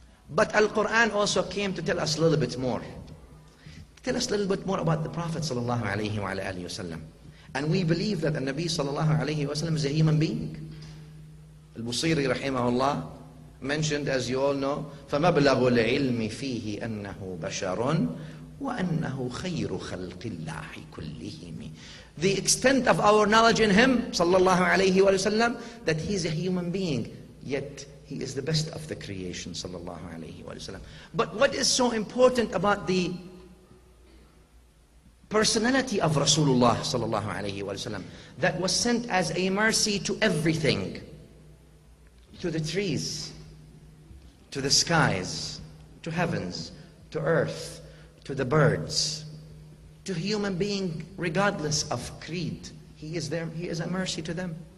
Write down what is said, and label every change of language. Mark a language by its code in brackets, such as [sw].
[en] But Al-Quran also came to tell us a little bit more. Tell us a little bit more about the Prophet sallallahu alayhi wa sallam. And we believe that Nabi sallallahu alayhi wa sallam is a human being. Al-Busiri rahimahullah mentioned, as you all know, [ar] فَمَبْلَغُ الْعِلْمِ فِيهِ أَنَّهُ بَشَرٌ وَأَنَّهُ خَيْرُ خَلْقِ اللَّهِ كُلِّهِمِ. [en] The extent of our knowledge in him, sallallahu alayhi wa sallam, that he is a human being, yet he is the best of the creation, sallallahu alayhi wa sallam. But what is so important about the personality of Rasulullah, sallallahu alayhi wa sallam, that was sent as a mercy to everything, to the trees, to the skies, to heavens, to earth, to the birds, to human being, regardless of creed, he is there, he is a mercy to them.